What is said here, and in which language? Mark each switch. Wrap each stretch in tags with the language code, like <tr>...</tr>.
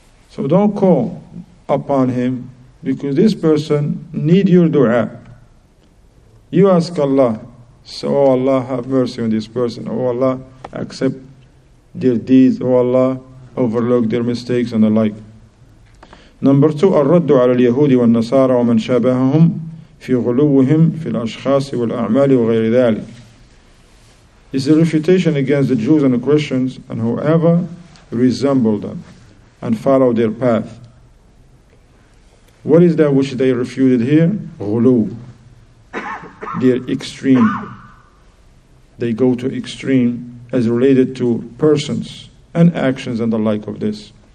<en>So don't call upon him, because this person needs your dua. You ask Allah, so oh Allah, have mercy on this person. Oh Allah, accept their deeds. Oh Allah, overlook their mistakes and the like. Number two,</en> <ar>الرد على اليهود والنصارى ومن شابههم في غلوهم في الأشخاص والأعمال وغير ذلك.</ar> <en>It's a refutation against the Jews and the Christians and whoever resembled them and follow their path. What is that which they refuted here? غلو. Their extreme. they go to extreme as related to persons and actions and the like of this.</en>